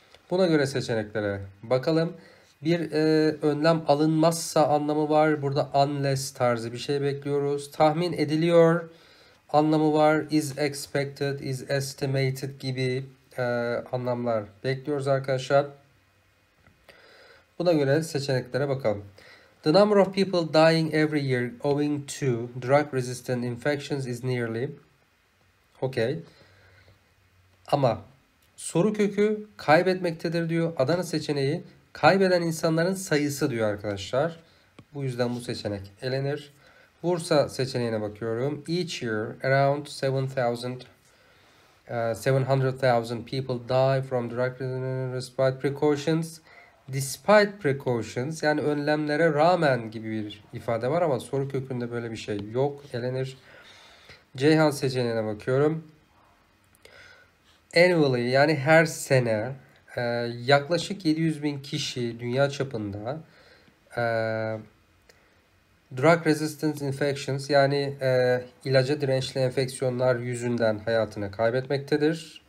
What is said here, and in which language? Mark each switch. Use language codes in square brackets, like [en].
[tr] Buna göre seçeneklere bakalım. Bir önlem alınmazsa anlamı var. Burada unless tarzı bir şey bekliyoruz. Tahmin ediliyor anlamı var. [en] Is expected, is estimated [tr] gibi anlamlar bekliyoruz arkadaşlar. Buna göre seçeneklere bakalım. [en] The number of people dying every year owing to drug resistant infections is nearly. [tr] Okay. Ama soru kökü kaybetmektedir diyor. Adana seçeneği. Kaybeden insanların sayısı diyor arkadaşlar. Bu yüzden bu seçenek elenir. Bursa seçeneğine bakıyorum. [en] Each year around 700,000 people die from drug resistant respiratory precautions. Despite precautions [tr] yani önlemlere rağmen gibi bir ifade var ama soru kökünde böyle bir şey yok. Elenir. Ceyhan seçeneğine bakıyorum. Annually yani her sene yaklaşık 700 bin kişi dünya çapında [en] drug resistance infections [tr] yani ilaca dirençli enfeksiyonlar yüzünden hayatını kaybetmektedir.